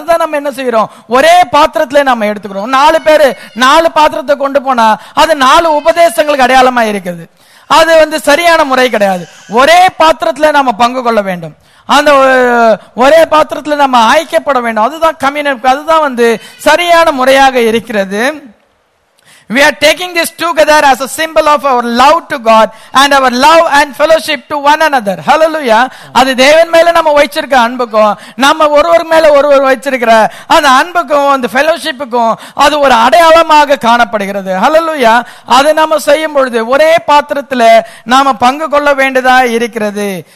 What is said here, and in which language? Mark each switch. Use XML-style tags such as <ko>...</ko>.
<ta>அதுதான் நம்ம என்ன செய்யறோம், ஒரே பாத்திரத்துல நம்ம எடுத்துக்கிறோம். நாலு பேரு நாலு பாத்திரத்தை கொண்டு போனா அது நாலு உபதேசங்களுக்கு அடையாளமா இருக்குது, அது வந்து சரியான முறை கிடையாது. ஒரே பாத்திரத்துல நாம பங்கு கொள்ள வேண்டும், அந்த ஒரே பாத்திரத்துல நாம ஐக்கியப்பட வேண்டும். அதுதான் கம்யூனிட்டி, அதுதான் வந்து சரியான முறையாக இருக்கிறது.</ta> <en>We are taking this together as a symbol of our love to God and our love and fellowship to one another. Hallelujah.</en> <ta>அது தேவன் மேல நம்ம வச்சிருக்க அன்புக்கும், நம்ம ஒருவர் மேல ஒருவர் வச்சிருக்கிற அந்த அன்புக்கும் அந்த ஃபெலோஷிப்புக்கும் அது ஒரு அடையாளமாக காணப்படுகிறது. Hallelujah. அது நம்ம செய்யும் பொழுது ஒரே பாத்திரத்துல நாம பங்கு கொள்ள வேண்டியதா இருக்கிறது.</ta>